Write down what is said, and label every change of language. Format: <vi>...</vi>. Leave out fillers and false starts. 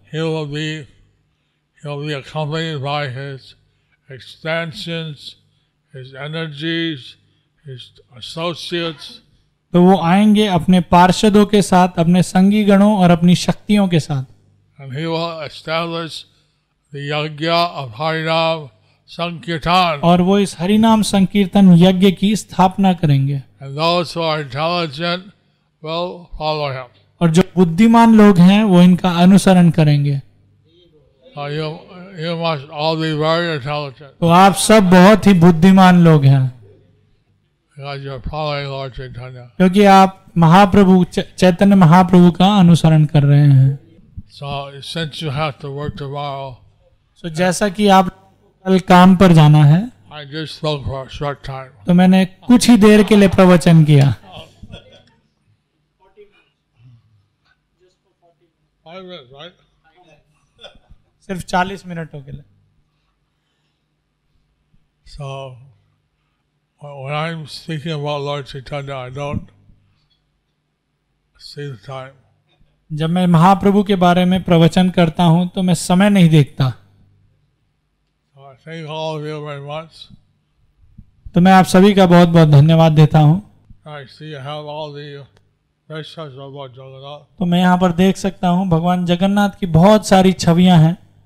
<en>He will be accompanied by his extensions, his energies, his associates.</en> <hi>तो वो आएंगे अपने पार्षदों के साथ, अपने संगी गणों और अपनी शक्तियों के साथ.</hi> <en>And he will establish the yajna of Harinam sankirtan.</en> <hi>और वो इस हरिनाम संकीर्तन यज्ञ की स्थापना करेंगे.</hi> <en>And those who are intelligent will follow him.</en> <hi>और जो बुद्धिमान लोग हैं वो इनका अनुसरण करेंगे.</hi> <en>You must all be very intelligent.</en> <hi>तो आप सब बहुत ही बुद्धिमान लोग हैं.</hi> <en>Because you are following Lord Chaitanya.</en> <hi>क्योंकि आप महाप्रभु चैतन्य महाप्रभु का अनुसरण कर रहे हैं.</hi> <en>So, since you have to work tomorrow,</en> <hi>so जैसा कि आप कल काम पर जाना है</hi> <en>I just spoke for a short time.</en> <hi>तो मैंने कुछ ही देर के लिए प्रवचन किया.</hi> <en>5 minutes, right?</en> <hi>सिर्फ 40 मिनटों के लिए.</hi> <en>So when I'm speaking about Lord Chaitanya, I don't see the time.</en> <hi>जब मैं महाप्रभु के बारे में प्रवचन करता हूँ तो मैं समय नहीं देखता.</hi> <en>I thank all of you very much.</en> <hi>तो मैं आप सभी का बहुत बहुत धन्यवाद देता हूँ.</hi> <en>I see you have all the pictures of Lord Jagannath.</en> <hi>तो मैं यहाँ पर देख सकता हूँ भगवान जगन्नाथ की बहुत सारी छवियाँ हैं.</hi>